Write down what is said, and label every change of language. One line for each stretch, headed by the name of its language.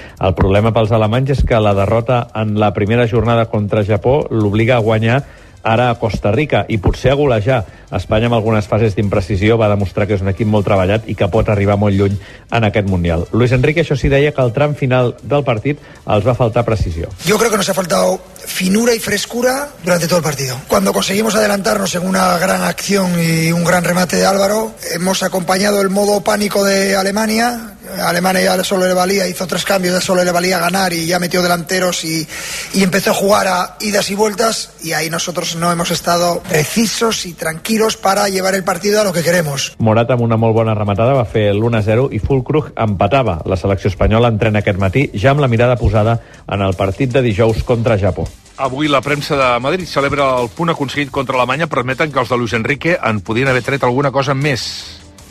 Catalan: El problema pels alemanys és que la derrota en la primera jornada contra Japó l'obliga a guanyar ara a Costa Rica i potser a golejar. Espanya, amb algunes fases d'imprecisió, va demostrar que és un equip molt treballat i que pot arribar molt lluny en aquest Mundial. Luis Enrique, això sí, deia que al tram final del partit els va faltar precisió.
Spanish: Yo creo que nos ha faltado finura y frescura durante todo el partido. Cuando conseguimos adelantarnos en una gran acción y un gran remate de Álvaro, hemos acompañado el modo pánico de Alemania. A Alemania ya solo le valía, hizo tres cambios, ya solo le valía ganar y ya metió delanteros y empezó a jugar a idas y vueltas y ahí nosotros no hemos estado precisos y tranquilos para llevar el partido a lo que queremos.
Catalan: Morata amb una molt bona rematada va fer l'1-0 i Fulcruz empatava. La selecció espanyola entrena aquest matí ja amb la mirada posada en el partit de dijous contra Japó. Avui la premsa de Madrid celebra el punt aconseguit contra Alemanya, permeten que els de Luis Enrique en podien haver tret alguna cosa més.